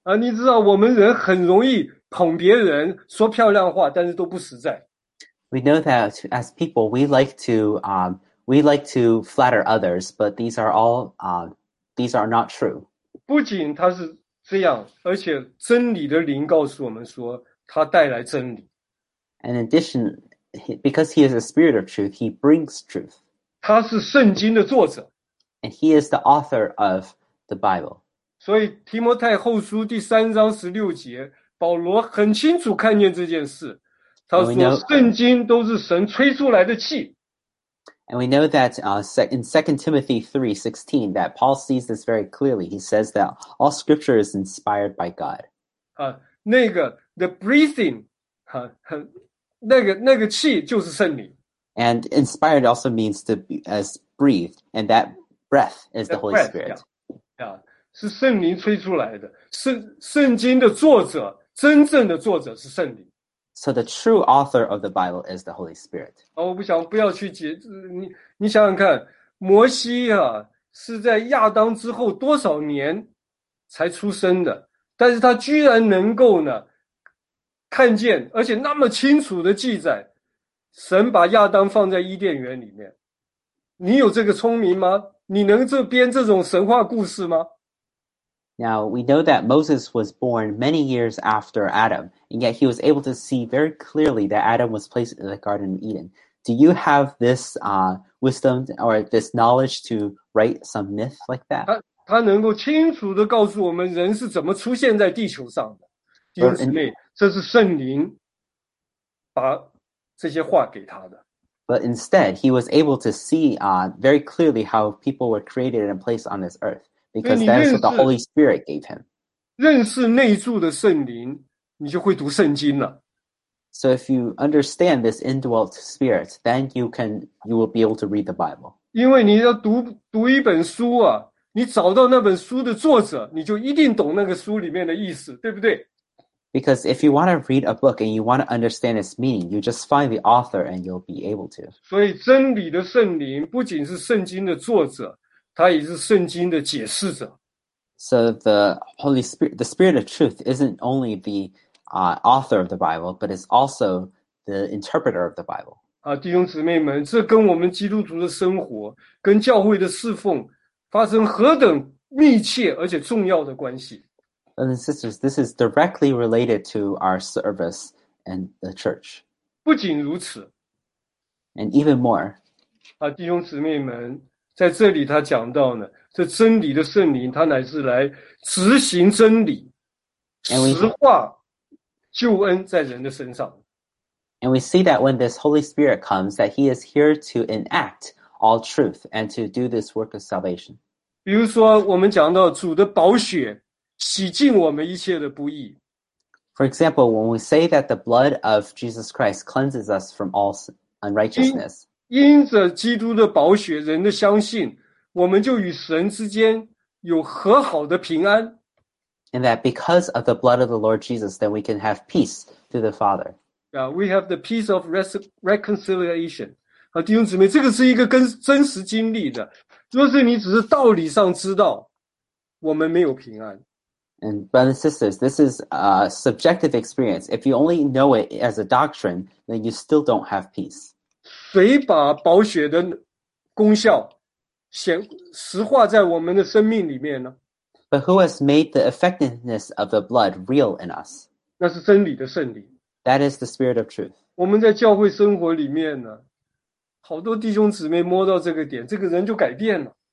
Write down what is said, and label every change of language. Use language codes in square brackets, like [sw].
[zh] 你知道我们人很容易捧别人，说漂亮话，但是都不实在。 [en] We know that as people, we like to flatter others, but these are not true. [zh] 不仅他是这样，而且真理的灵告诉我们说，他带来真理。 [en] In addition, because he is a spirit of truth, he brings truth. [zh] 他是圣经的作者。 [en] And he is the author of the Bible. [zh] 所以提摩太后书第三章十六节，保罗很清楚看见这件事。他说圣经都是神吹出来的气。 [en] And we know that in 2 Timothy 3:16, that Paul sees this very clearly. He says that all scripture is inspired by God. [zh] 那个 [en] the breathing, [zh] 那个气就是圣灵。 [en] And inspired also means to be as breathed, and that breath is the Holy Spirit. [zh] Yeah, 是圣灵吹出来的。圣经的作者，真正的作者是圣灵。 [en] So the true author of the Bible is the Holy Spirit. [zh] 我不想不要去解，你想想看，摩西啊，是在亚当之后多少年才出生的，但是他居然能够呢看见，而且那么清楚的记载，神把亚当放在伊甸园里面。你有这个聪明吗？你能这编这种神话故事吗？ [en] Now, we know that Moses was born many years after Adam, and yet he was able to see very clearly that Adam was placed in the Garden of Eden. Do you have this wisdom or this knowledge to write some myth like that? [zh] 他能够清楚地告诉我们人是怎么出现在地球上的。弟兄姊妹，这是圣灵把这些话给他的。 [en] But instead, he was able to see very clearly how people were created and placed on this earth, because that is what the Holy Spirit gave him. [zh] 认识内住的圣灵，你就会读圣经了。 [en] So if you understand this indwelt spirit, then you will be able to read the Bible. [zh] 因为你要读一本书啊，你找到那本书的作者，你就一定懂那个书里面的意思，对不对？ [en] Because if you want to read a book and you want to understand its meaning, you just find the author and you'll be able to. [zh] 所以真理的圣灵不仅是圣经的作者，他也是圣经的解释者。 [en] So the Holy Spirit, the Spirit of Truth isn't only the author of the Bible, but it's also the interpreter of the Bible. [zh] 弟兄姊妹们，这跟我们基督徒的生活，跟教会的侍奉，发生何等密切而且重要的关系。 [en] And sisters, this is directly related to our service and the church. [zh] 不仅如此。 [en] And even more. [zh] 弟兄姊妹们，在这里他讲到呢，这真理的圣灵，他乃是来执行真理，实化救恩在人的身上。 [en] And we see that when this Holy Spirit comes, that he is here to enact all truth and to do this work of salvation. [zh] 比如说我们讲到主的宝血洗净我们一切的不义。 [en] For example, when we say that the blood of Jesus Christ cleanses us from all unrighteousness, [zh] 因着基督的宝血，人的相信，我们就与神之间有和好的平安。 [en] And that because of the blood of the Lord Jesus, then we can have peace to the Father. Yeah, we have the peace of reconciliation. [zh] 弟兄姊妹，这个是一个跟真实经历的。若是你只是道理上知道，我们没有平安。 [en] And brothers and sisters, this is a subjective experience. If you only know it as a doctrine, then you still don't have peace. [zh] 谁把宝血的功效实化在我们的生命里面呢？ [en] But who has made the effectiveness of the blood real in us? [zh] 那是真理的圣灵。 [en] That is the spirit of truth. [zh] 我们在教会生活里面呢，好多弟兄姊妹摸到这个点，这个人就改变了。